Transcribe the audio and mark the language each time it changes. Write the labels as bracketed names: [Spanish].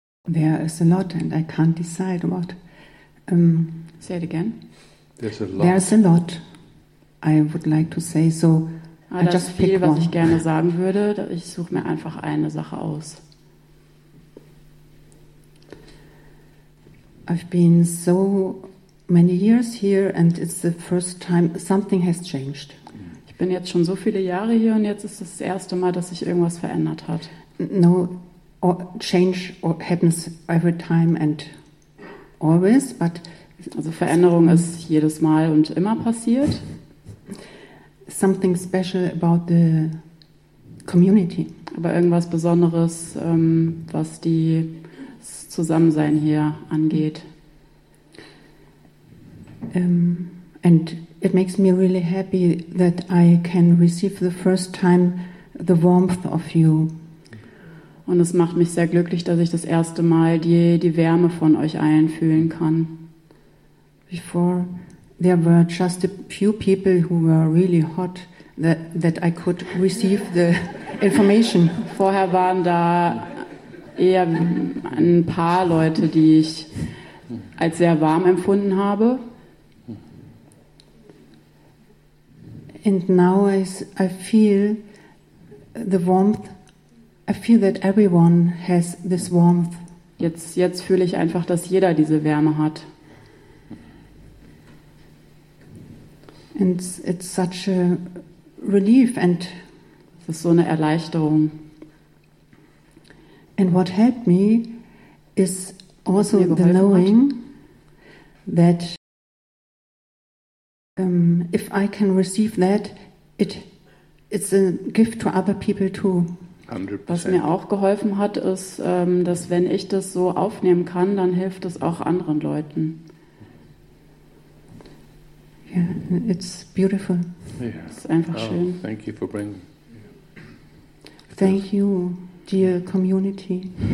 [English] There is a lot and I can't decide what. Say it again. There's a lot. There's a lot I would like to say, so I just pick one. [German] Das viel, was ich gerne sagen würde, ich suche mir einfach eine Sache aus. [English] I've been so many years here and it's the first time something has changed. [German] Ich bin jetzt schon so viele Jahre hier und jetzt ist das erste Mal, dass sich irgendwas verändert hat. [English] No, or change or happens every time and always, but [German] also Veränderung ist jedes Mal und immer passiert. [English] Something special about the community. [German] Aber irgendwas Besonderes, was die Zusammensein hier angeht. [English] And it makes me really happy that I can receive the first time the warmth of you. [German] Und es macht mich sehr glücklich, dass ich das erste Mal die Wärme von euch allen fühlen kann. [English] Before there were just a few people who were really hot that I could receive the information. [German] Vorher waren da eher ein paar Leute, die ich als sehr warm empfunden habe. [English] And now I feel the warmth. I feel that everyone has this warmth. [German] Jetzt fühle ich einfach, dass jeder diese Wärme hat. [English] And it's such a relief and [German] es ist so eine Erleichterung. [English] And what helped me is also the knowing that if I can receive that, it's a gift to other people too. 100%. [German] Was mir auch geholfen hat, ist, dass wenn ich das so aufnehmen kann, dann hilft es auch anderen Leuten. [English] Yeah, it's beautiful. Yeah. [German] Es ist einfach schön. [English] Thank you for bringing. Thank you, dear community.